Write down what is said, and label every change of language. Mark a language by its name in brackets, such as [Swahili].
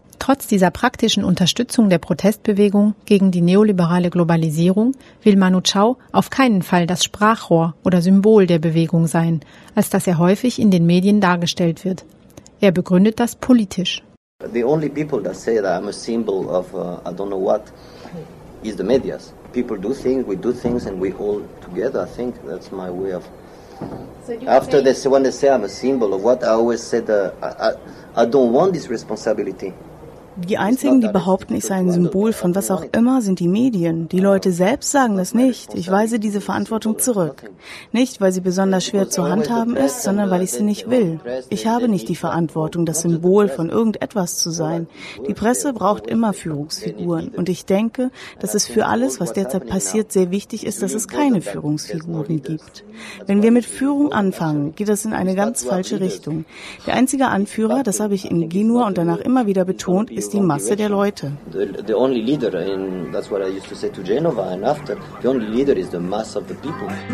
[German] Trotz dieser praktischen Unterstützung der Protestbewegung gegen die neoliberale Globalisierung will Manu Chao auf keinen Fall das Sprachrohr oder Symbol der Bewegung sein, als dass er häufig in den Medien dargestellt wird. Er begründet das politisch. [English] The only people that say that I'm a symbol of I don't know what is the media. People do things, we do things and we all together. I think that's my way of. After they say, when they say I'm a symbol of what, I always said I don't want this responsibility. [German] Die Einzigen, die behaupten, ich sei ein Symbol von was auch immer, sind die Medien. Die Leute selbst sagen das nicht. Ich weise diese Verantwortung zurück. Nicht, weil sie besonders schwer zu handhaben ist, sondern weil ich sie nicht will. Ich habe nicht die Verantwortung, das Symbol von irgendetwas zu sein. Die Presse braucht immer Führungsfiguren. Und ich denke, dass es für alles, was derzeit passiert, sehr wichtig ist, dass es keine Führungsfiguren gibt. Wenn wir mit Führung anfangen, geht das in eine ganz falsche Richtung. Der einzige Anführer, das habe ich in Genua und danach immer wieder betont, ist die Masse der Leute. [English] The only leader in, that's what I used to say to Genova and after, the only leader is the mass of the people.